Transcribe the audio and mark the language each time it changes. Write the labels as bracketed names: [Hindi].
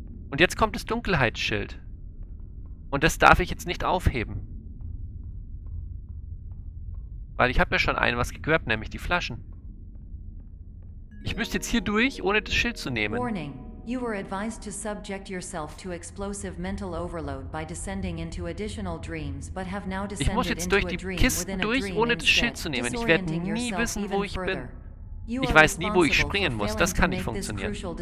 [German] Und jetzt kommt das Dunkelheitsschild. Und das darf ich jetzt nicht aufheben. Weil ich habe ja schon ein was gegrabt, nämlich die Flaschen. Ich müsste jetzt hier durch, ohne das Schild zu nehmen. [English] Warning. You were advised to subject yourself to explosive mental overload by descending into additional dreams, but have now descended into a dream within a dream. [German] Ich muss jetzt durch die Kisten durch, ohne das Schild zu nehmen. Ich werde nie wissen, wo ich bin. Ich weiß nie, wo ich springen muss. Das kann nicht funktionieren.